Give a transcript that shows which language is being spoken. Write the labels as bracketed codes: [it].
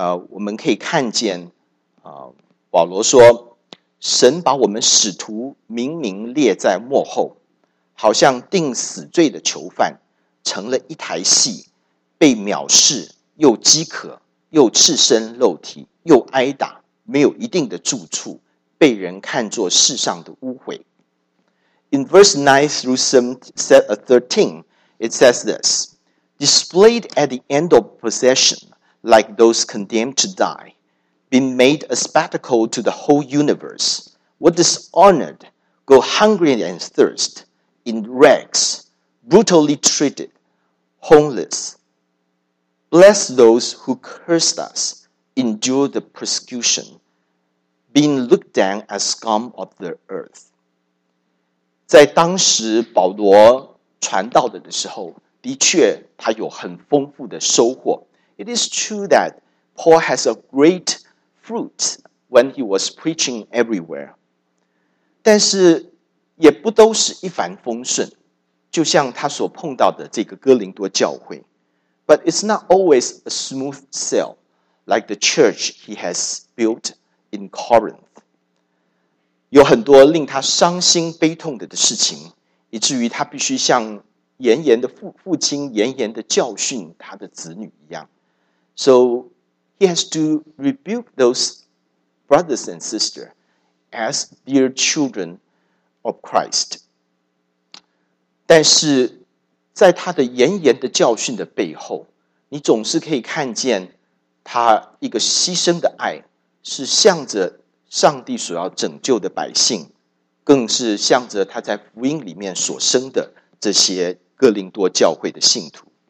[zh] 我们可以看见保罗说神把我们使徒明明列在幕后，好像定死罪的囚犯，成了一台戏，被藐视，又饥渴，又赤身肉体，又挨打，没有一定的住处，被人看作世上的污秽。 [en] In verse 9 through 13, it says this, displayed at the end of possession, like those condemned to die,been made a spectacle to the whole universe, were dishonored, go hungry and thirst, in rags, brutally treated, homeless. Bless those who cursed us, endure the persecution, being looked down as scum of the earth. [zh] 在当时保罗传道的时候，的确他有很丰富的收获。 [en] It is true that Paul has a great fruit when he was preaching everywhere. [zh] 但是也不都是一帆风顺，就像他所碰到的这个哥林多教会。 [en] But it's not always a smooth sail, like the church he has built in Corinth. [zh] 有很多令他伤心悲痛的事情，以至于他必须像严严的父亲严严的教训他的子女一样。 [en] So,He has to rebuke those brothers and sisters as dear children of Christ. [zh] 但是在他的严严的教训的背后，你总是可以看见他一个牺牲的爱，是向着上帝所要拯救的百姓，更是向着他在福音里面所生的这些哥林多教会的信徒。